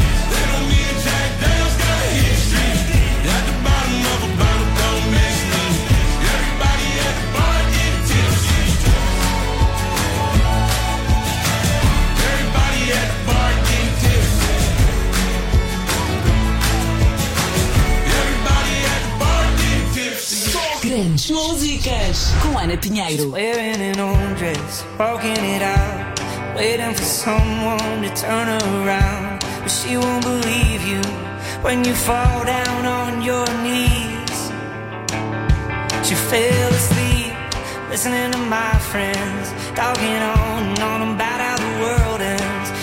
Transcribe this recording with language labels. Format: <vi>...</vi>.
<en>They know me and Jay Daniels got a history. At the bottom of a bottle, don't miss me. Everybody at the bar getting tipsy. Everybody at the bar getting tipsy. Everybody at the bar getting tipsy.</en> <pt>Grandes músicas com Ana Pinheiro.</pt> <en>Wearing an old dress, walking it out. Waiting for someone to turn around. But she won't believe you when you fall down on your knees. She fell asleep listening to my friends talking on and on about how the world ends.</en>